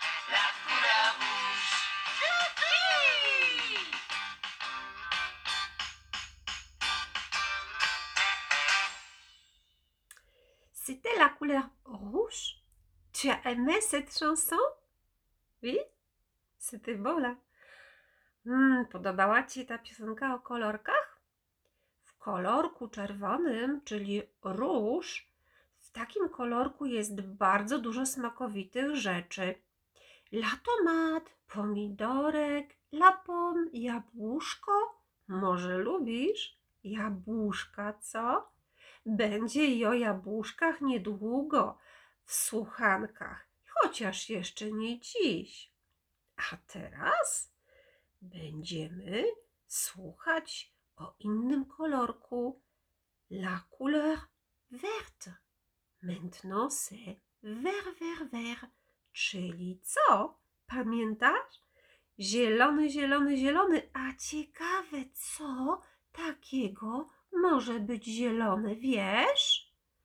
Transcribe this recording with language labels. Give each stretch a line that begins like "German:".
French: La couleur rouge. Youpi! C'était la couleur rouge. Tu as aimé cette chanson? Oui? C'était beau là.
Polish: Podobała ci ta piosenka o kolorkach? W kolorku czerwonym, czyli róż, w takim kolorku jest bardzo dużo smakowitych rzeczy. Latomat, pomidorek, lapon, jabłuszko. Może lubisz jabłuszka, co? Będzie i o jabłuszkach niedługo w słuchankach, chociaż jeszcze nie dziś. A teraz będziemy słuchać o innym kolorku.
French: La couleur verte. Maintenant c'est vert, vert, vert.
Polish: Czyli co? Pamiętasz? Zielony, zielony, zielony. A ciekawe, co takiego może być zielone, wiesz?